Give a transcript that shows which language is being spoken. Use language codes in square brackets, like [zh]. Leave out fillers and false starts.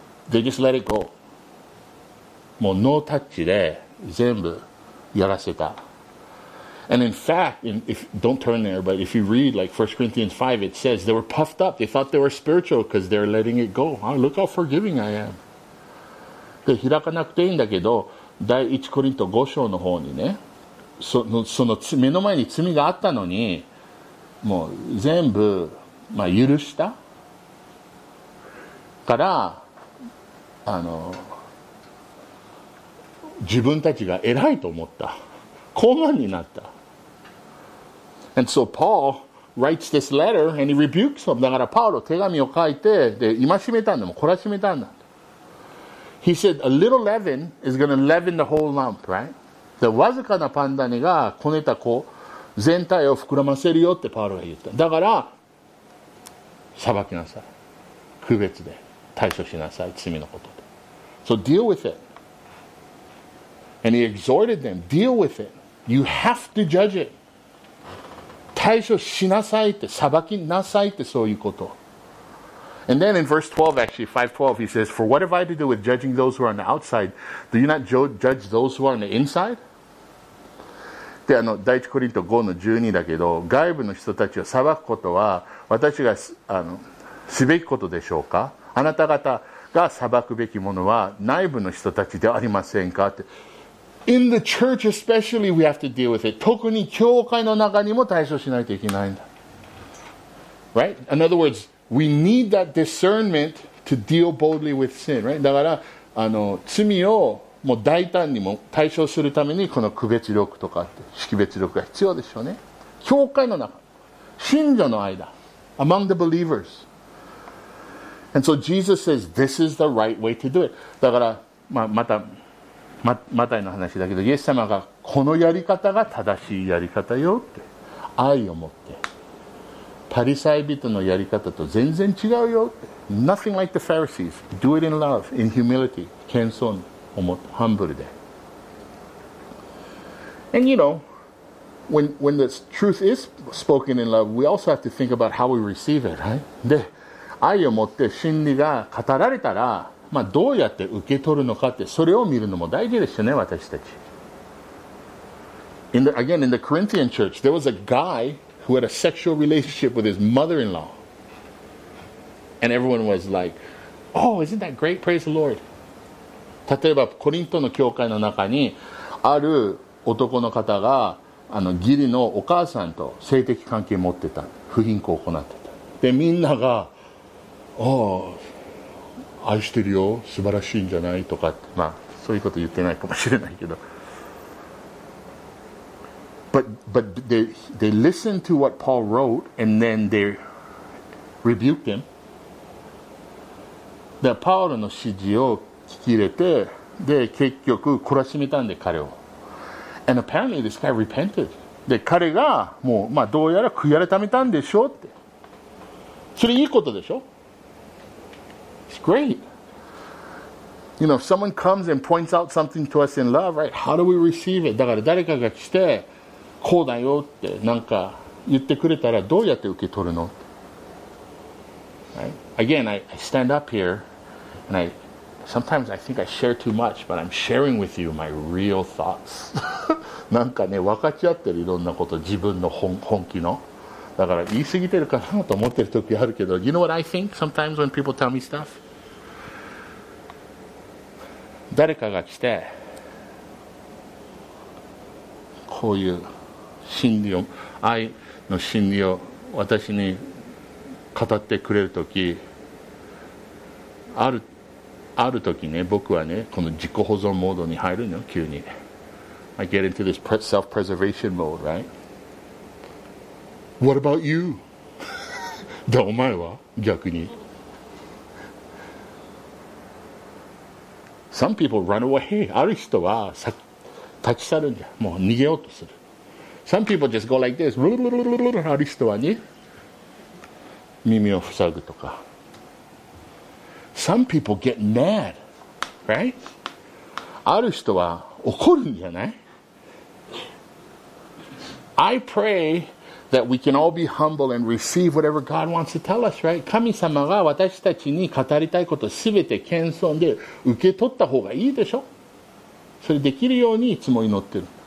[en] They just let it go. [ja] もうノータッチで全部やらせた。 [en] And in fact, in, if, don't turn there, but if you read like 1 Corinthians 5, it says they were puffed up. They thought they were spiritual because they're letting it go. Oh, look how forgiving I am. [ja] で、開かなくていいんだけど、第1コリント5章の方にね、その目の前に罪があったのに、もう全部、まあ、許したから、あの自分たちが偉いと思った、高慢になった。 [en] And so Paul writes this letter and he rebukes them. [ja] だからパウロ手紙を書いて、で戒めたんだ、もう懲らしめたんだ。 [en] He said a little leaven is going to leaven the whole lump, right? [ja] でわずかなパン種がこねた子全体を膨らませるよってパウロが言った。だから裁きなさい、区別で対処しなさい、罪のこと。 [en] So deal with it. And he exhorted them, deal with it. You have to judge it. [ja] 対処しなさいって、裁きなさいって、そういうこと。 [en] And then in verse 12, actually, 5:12, he says, For what have I to do with judging those who are on the outside? Do you not judge those who are on the inside? [ja] で、あの、第一コリント5の12だけど、外部の人たちを裁くことは、私が、あの、すべきことでしょうか？あなた方が裁くべきものは、内部の人たちではありませんかって。 [en] In the church especially, we have to deal with it. [ja] 特に教会の中にも対処しないといけないんだ。 [en] Right? In other words,We need that discernment to deal boldly with sin, right? [ja] だから、あの、罪をもう大胆にも対処するために、この区別力とかって、識別力が必要でしょうね。教会の中、信者の間、 [en] among the believers. And so Jesus says, this is the right way to do it. [ja] だから、まあ、また、マタイの話だけど、イエス様が、このやり方が正しいやり方よって、愛を持って。パリサイ人のやり方と全然違うよ。 [en] Nothing like the Pharisees. Do it in love, in humility, 謙遜、humble で。 And you know, when the truth is spoken in love, we also have to think about how we receive it, right? [ja] で、愛を持って真理が語られたら、まあどうやって受け取るのかって、それを見るのも大事ですよね、私たち。 [en] In the Corinthian church, there was a guy... who had a sexual relationship with his mother-in-law. And everyone was like, oh, isn't that great? Praise the Lord. [ja] 例えば、コリントの教会の中に、ある男の方が、あの、義理のお母さんと性的関係を持ってた。不貧困を行ってた。で、みんなが、oh, 愛してるよ。素晴らしいんじゃないとかって。まあ、そういうこと言ってないかもしれないけど。 [en] But they listened to what Paul wrote and then they rebuked him. [ja] で、パウロの指示を聞き入れて、で、結局、懲らしめたんで、彼を。 [en] And apparently this guy repented. [ja] で、彼が、もう、まあ、どうやら悔い改めたんでしょうって。それいいことでしょ [en] It's great. You know, if someone comes and points out something to us in love, right, how do we receive it? [ja] だから誰かが来て、こうだよってなんか言ってくれたらどうやって受け取るの、 [en] right? Again, I stand up here and I sometimes I think I share too much, but I'm sharing with you my real thoughts. [ja] なんかね、分かち合ってるいろんなこと、自分の本気の。だから言い過ぎてるかなと思ってる時あるけど、 [en] You know what I think sometimes when people tell me stuff? [ja] 誰かが来て、こういう真理を愛の真理を私に語ってくれるとき、あるときね、僕はね、この自己保存モードに入るの、急に。 [en] I get into this self-preservation mode, right? What about you? [ja] だ、お前は逆に。 [en] Some people run away. [ja] ある人は立ち去るんじゃ、もう逃げようとする。 [en] Some people just go like this. [ja] ある人はね、耳を塞ぐとか。 [en] Some people get mad, right? [ja] ある人は怒るんじゃない ？ [en] I pray that we can all be humble and receive whatever God wants to tell us, right? [ja] 神様が私たちに語りたいことすべて謙遜で受け取った方がいいでしょ？それできるようにいつも祈ってる。